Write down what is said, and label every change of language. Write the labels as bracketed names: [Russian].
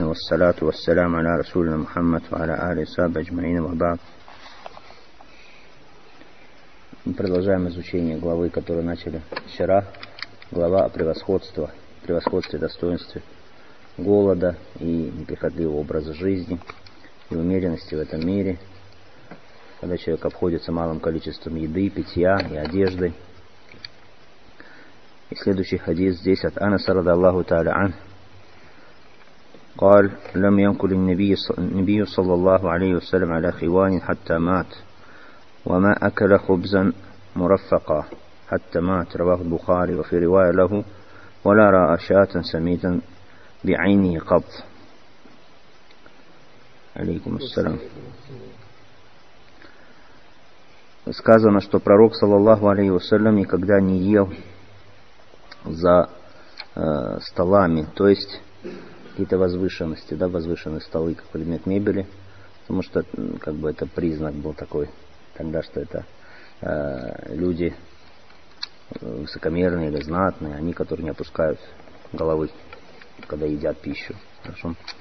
[Arabic] والصلاة والسلام على رسولنا محمد وعلى آله وصحبه أجمعين وبعد. [Russian] Продолжаем изучение главы, которую начали вчера. Глава о превосходстве, достоинстве голода и неприхотливого образа жизни и умеренности в этом мире. Когда человек обходится малым количеством еды, питья и одежды. И следующий хадис здесь от Анаса радиаллаху тааля ан. [Arabic] قال لم ينقل النبي صلى الله عليه وسلم على خوان حتى مات وما أكل خبزا مرفقا حتى مات رواه البخاري وفي رواية له ولا رأى شاة سميتا بعينه قط عليكم السلام. [Russian] Сказано, что пророк صلى الله عليه وسلم никогда не ел за столами, то есть какие-то возвышенности, да, возвышенные столы, как предмет мебели, потому что как бы это признак был такой тогда, что это люди высокомерные или знатные, они, которые не опускают головы, когда едят пищу. Хорошо?